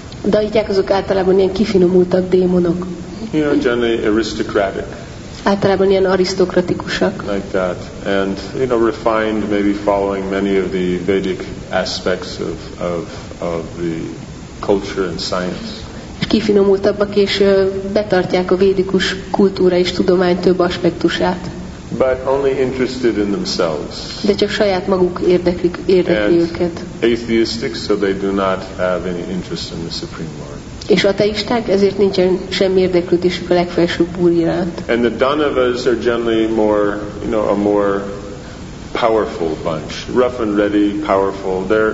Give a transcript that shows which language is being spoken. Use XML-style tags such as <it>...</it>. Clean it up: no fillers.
<hu>A Daityák azok általában ilyen kifinomultabb démonok.</hu> <en>Generally aristocratic.</en> <hu>Általában ilyen arisztokratikusak.</hu> <en>Like that. And, refined, maybe following many of the Vedic aspects of the culture and science.</en> <hu>És kifinomultabbak, és betartják a védikus kultúra és tudomány több aspektusát.</hu> <en>but only interested in themselves.</en> <hu>De csak saját maguk érdekli őket.</hu> <en>Atheistic, so they do not have any interest in the Supreme Lord.</en> <hu>És ateisták, ezért nincsen semmi érdeklődésük a legfelsőbb úr iránt.</hu> <en>And the Dhanavas are generally more, you know, a more powerful bunch, rough and ready, powerful.</en>